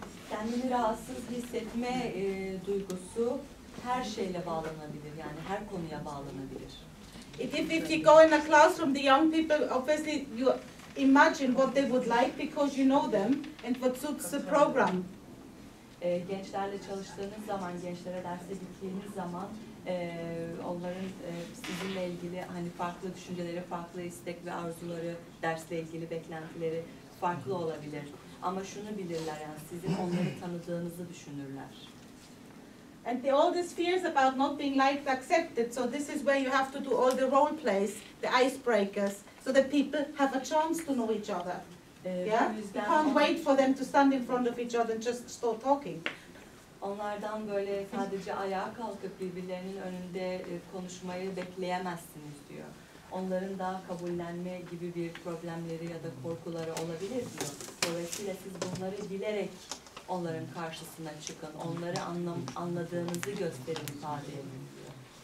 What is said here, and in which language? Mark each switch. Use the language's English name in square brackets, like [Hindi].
[Turkish] Kendini rahatsız hissetme duygusu her şeyle bağlanabilir, yani her konuya bağlanabilir. [English] If you go in a classroom, the young people, obviously you imagine what they would like because you know them and what suits the program. [Turkish] Gençlerle çalıştığınız zaman, gençlere derse gittiğiniz zaman onların sizinle ilgili hani farklı düşünceleri, farklı istek ve arzuları, dersle ilgili beklentileri farklı olabilir. Ama şunu bilirler, yani sizin onları tanıdığınızı düşünürler. [English] And the, all these fears about not being liked, accepted. So this is where you have to do all the role plays, the icebreakers, so that people have a chance to know each other. Yeah? You can't wait for them to stand in front of each other and just start talking. [Turkish] Onlardan böyle sadece ayağa kalkıp birbirlerinin önünde konuşmayı bekleyemezsiniz diyor. Onların daha kabullenme gibi bir problemleri ya da korkuları olabilir diyor. Dolayısıyla siz bunları bilerek onların karşısına çıkın. Onları anladığınızı gösterin, ifade edin diyor.